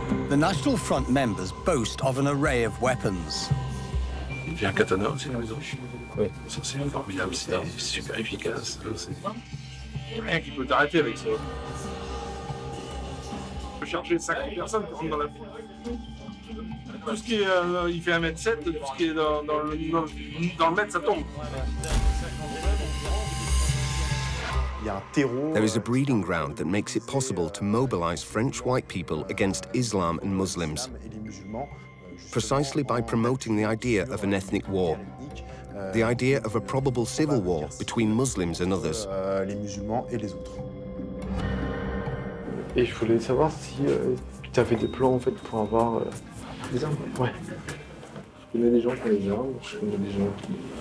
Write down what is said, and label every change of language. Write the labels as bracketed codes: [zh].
[en] The National Front members boast of an array of weapons. [fr] Il y a un katana aussi dans les autres. Oui. Ça, c'est formidable, c'est super efficace. Rien qui peut t'arrêter avec ça. Je peux charger 50 personnes qui rentrent dans la foule. Tout ce qui est. Il fait 1m7, tout ce qui est dans le mètre, ça tombe. [en] There is a breeding ground that makes it possible to mobilize French white people against Islam and Muslims. Precisely by promoting the idea of an ethnic war. The idea of a probable civil war between Muslims and others. [fr] Les musulmans et les autres. Et je voulais savoir si tu avais des plans en fait pour avoir des armes. Ouais. Je connais des gens qui ont des armes, je connais des gens qui